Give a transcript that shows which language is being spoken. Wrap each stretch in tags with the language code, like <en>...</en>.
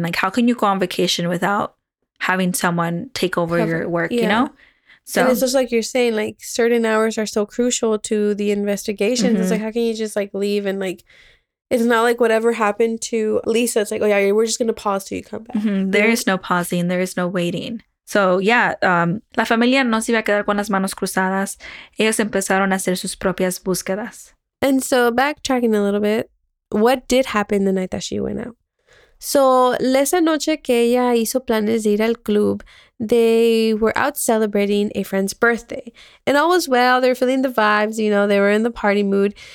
<en>Like, how can you go on vacation without having someone take over your work, you know? So. And it's just like you're saying, like, certain hours are so crucial to the investigations. Mm-hmm. It's like, how can you just, like, leave and, like, it's not like whatever happened to Lisa. It's like, oh, yeah, we're just going to pause till you come back. Mm-hmm. There is no pausing. There is no waiting. So, yeah,</en> <es>la familia no se iba a quedar con las manos cruzadas. Ellos empezaron a hacer sus propias búsquedas.</es> <en>And so, backtracking a little bit, what did happen the night that she went out?</en> <es>So, esa noche que ella hizo planes de ir al club,</es> <en>they were out celebrating a friend's birthday. And all was well, they were feeling the vibes, you know, they were in the party mood.</en>